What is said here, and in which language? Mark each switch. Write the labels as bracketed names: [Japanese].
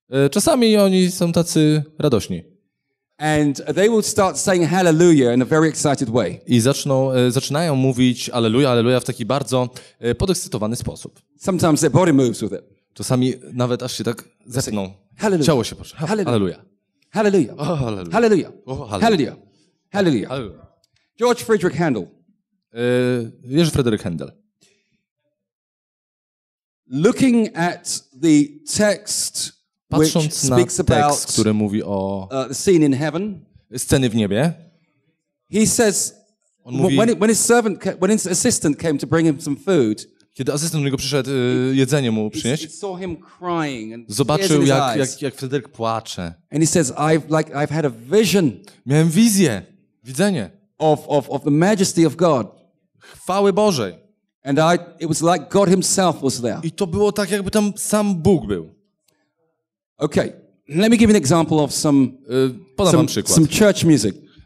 [Polish] Czasami oni są tacy radośni. [English] And they will start saying hallelujah in a very excited way. [Polish] I zaczynają mówić aleluja, aleluja w taki bardzo podekscytowany sposób. [English] Sometimes their body moves with it. [Polish] Czasami nawet aż się tak zepną. Hallelujah. Ciało się poczuje. Hallelujah. [English] Hallelujah. Hallelujah. Oh, hallelujah. Hallelujah. Oh, hallelujah. Hallelujah. Hallelujah. George Friedrich Handel. [Polish] Jerzy Fryderyk Handel. [English] Looking at the text [Polish] patrząc [English] which speaks [Polish] na tekst, [English] about, [Polish] który mówi o [English] scene in heaven, [Polish] sceny w niebie. [English] He says [Polish] on mówi, [English] when his servant when his assistant came to bring him some food, [Polish] kiedy asystent do niego przyszedł jedzenie mu przynieść. [English] He saw him crying and [Polish] zobaczył jak Fryderyk płacze. [English] And he says I've had a vision. [Polish] Miałem wizję. Widzenie. [English] Of the majesty of God. [Polish] Chwały Bożej. [English] And it was like God himself was there. [Polish] I to było tak jakby tam sam Bóg był. [English] Okay, let me give an example of some church music.